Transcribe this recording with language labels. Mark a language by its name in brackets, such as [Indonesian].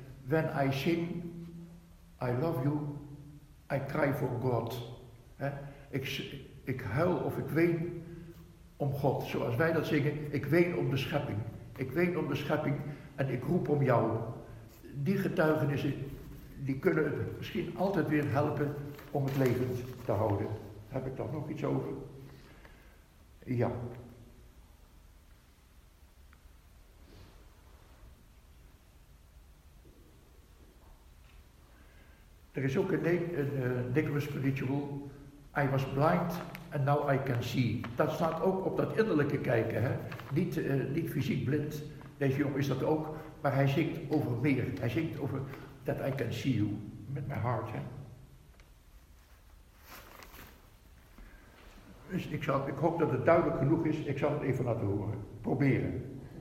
[English] When I sing, I love you, I cry for God. [Dutch] He? Ik huil of ik ween om God, zoals wij dat zingen. Ik ween om de schepping. Ik ween om de schepping en ik roep om jou. Die getuigenissen, die kunnen het misschien altijd weer helpen om het levend te houden. Heb ik daar nog iets over? Ja. Er is ook een Nicholas Spiritual. [English] I was blind and now I can see. [Dutch] Dat staat ook op dat innerlijke kijken. Hè? Niet fysiek blind. Deze jongen is dat ook. Maar hij zingt over meer. Hij zingt over [English] that I can see you with my heart. [Dutch] Hè? Dus ik hoop dat het duidelijk genoeg is. Ik zal het even laten horen. Proberen.